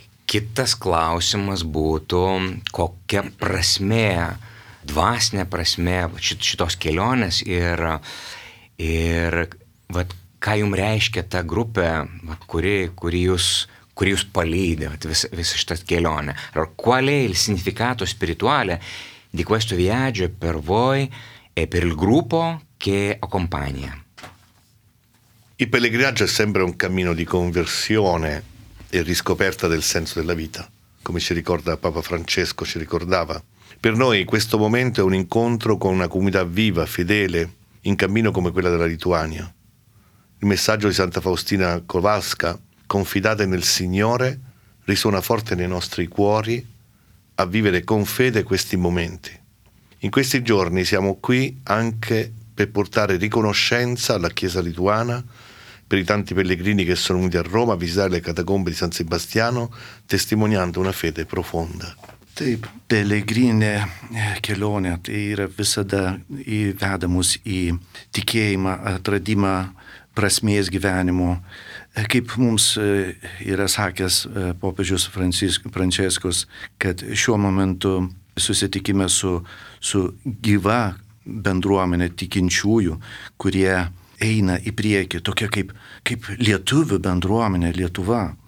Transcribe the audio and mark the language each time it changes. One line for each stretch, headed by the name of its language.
Lithuanian: Kitas klausimas būtų, kokia prasmė, dvasinė prasmė šitos kelionės ir vat, ką jums reiškia ta grupė, vat, kuri jūs palydė visą šitą kelionę.
Italian: Ar qualiai il significato spirituale di questo viaggio per voi e per il gruppo che accompagna? Il pellegrinaggio è sempre un cammino di conversione e riscoperta del senso della vita, come ci ricorda Papa Francesco, ci ricordava. Per noi questo momento è un incontro con una comunità viva, fedele, in cammino come quella della Lituania. Il messaggio di Santa Faustina Kowalska, confidate nel Signore, risuona forte nei nostri cuori a vivere con fede questi momenti. In questi giorni siamo qui anche per portare riconoscenza alla Chiesa lituana per i tanti pellegrini che sono venuti a Roma a visitare le catacombe di San Sebastiano, testimoniando una fede profonda.
Lithuanian: Taip, pellegrinė kelionė, tai yra visada įvedamus į tikėjimą, atradimą prasmės gyvenimo. Kaip mums yra sakęs popiežius Franciscus, kad šiuo momentu susitikime su gyva bendruomenė tikinčiųjų, kurie eina į priekį, tokia kaip lietuvių bendruomenė Lietuva.